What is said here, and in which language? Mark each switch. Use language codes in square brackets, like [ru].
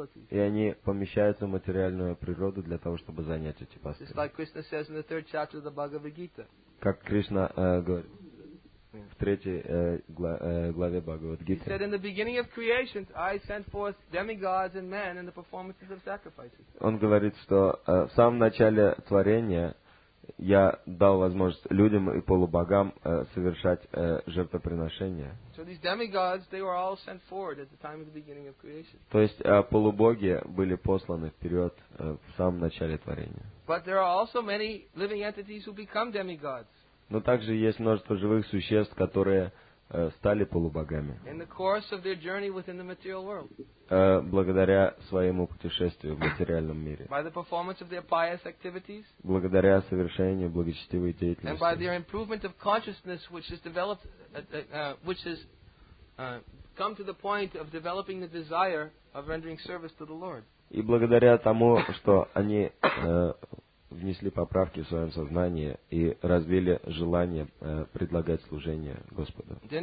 [ru] И они помещаются в материальную природу для того, чтобы занять эти посты. [en] Just like Krishna says in the third chapter of the Bhagavad Gita. [ru] Как Кришна говорит в третьей главе Бхагавад-гиты. [en] He said, in the beginning of creation, I sent forth demigods and men in the performances of sacrifices. [ru] Он говорит, что в самом начале творения я дал возможность людям и полубогам совершать жертвоприношения. [en] So these demigods, they were all sent forward at the time of the beginning of creation. [ru] То есть полубоги были посланы вперед в самом начале творения. [en] But there are also many living entities who become demigods. [ru] Но также есть множество живых существ, которые стали полубогами. [en] In the course of their journey within the material world. [ru] Благодаря своему путешествию в материальном мире. [en] By the performance of their pious activities. [ru] Благодаря совершению благочестивой деятельности. [en] And by their improvement of consciousness, which has developed, which has come to the point of developing the desire of rendering service to the Lord. [ru] И благодаря тому, что они внесли поправки в своем сознании и развили желание предлагать служение Господу.